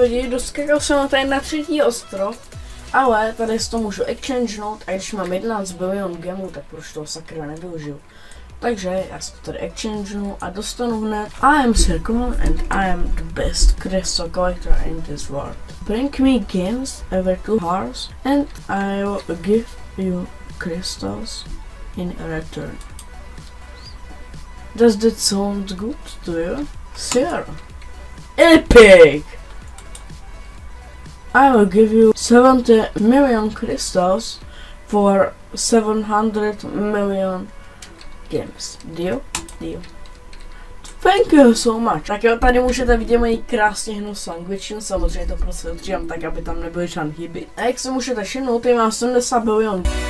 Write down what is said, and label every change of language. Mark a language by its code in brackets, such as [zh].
[cs] Doskakal jsem na tady na třetí ostrov, ale tady si to můžu exchangenout a když mám 11 bilion gemů, tak proč toho sakra nevyužiju. Takže já si to tady exchangenu a dostanu hned. [en] I am Circle and I am the best crystal collector in this world. Bring me gems over 2 hearts and I will give you crystals in return. Does that sound good to you? Sure. Epic! I will give you 70 million crystals for 700 million gems. Deal? Deal. Thank you so much. [cs] Tak jo, tady můžete vidět mají krásně hnu s angličtinu, samozřejmě to prostředím tak, aby tam nebyly žádný chyby. A jak se můžete všimnout, já mám 70 bilionů.